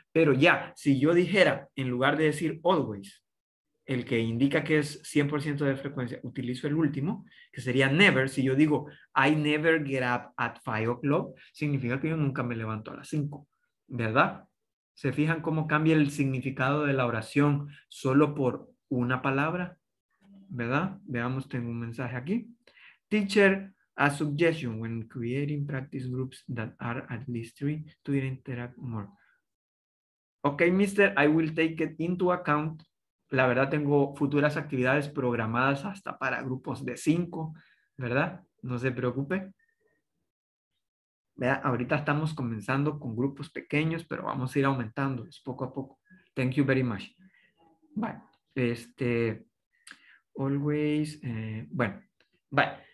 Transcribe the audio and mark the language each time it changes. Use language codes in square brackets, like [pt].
[es] Pero ya, si yo dijera, en lugar de decir always, el que indica que es 100% de frecuencia, utilizo el último, que sería never. Si yo digo, [en] I never get up at 5 o'clock, [es] significa que yo nunca me levanto a las 5, ¿verdad? ¿Se fijan cómo cambia el significado de la oración solo por una palabra? ¿Verdad? Veamos, tengo un mensaje aquí. [en] Teacher, a suggestion when creating practice groups that are at least 3 to interact more. Ok, mister, I will take it into account. [es] La verdad, tengo futuras actividades programadas hasta para grupos de 5, ¿verdad? No se preocupe. Vea, ahorita estamos comenzando con grupos pequeños, pero vamos a ir aumentándolos poco a poco. [en] Thank you very much. Bye. Este, always, bueno, bye.